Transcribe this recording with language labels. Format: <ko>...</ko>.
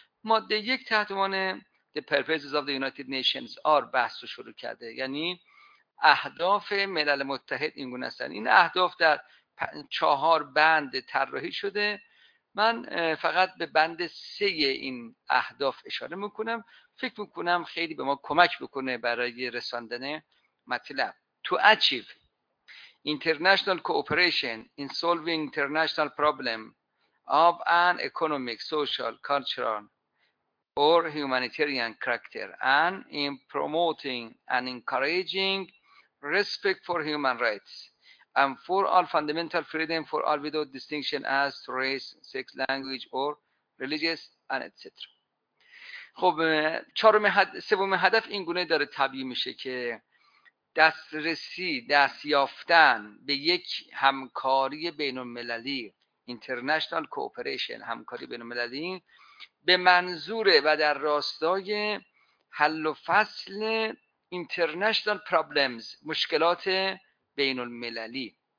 <fa>ماده 1 تحت عنوان</fa> <en>The Purposes of the United Nations are</en> <fa>بحث رو شروع کرده، یعنی اهداف ملل متحد این گونه هستن. این اهداف در 4 بند طراحی شده. من فقط به بند 3 این اهداف اشاره میکنم، فکر میکنم خیلی به ما کمک بکنه برای رساندن مطلب.</fa> <en>To achieve international cooperation in solving international problem of an economic, social, cultural or humanitarian character and in promoting and encouraging respect for human rights and for all fundamental freedom for all without distinction as race, sex, language or religious and etc.</en> <fa>خب سومین هدف این گونه داره تبیین میشه که دسترسی، دستیافتن به یک همکاری بین المللی،</fa> <en>international cooperation،</en> <fa>همکاری بین المللی به منظور و در راستای حل و فصل</fa> <en>international problems،</en> <fa>مشکلات بین المللی.</fa>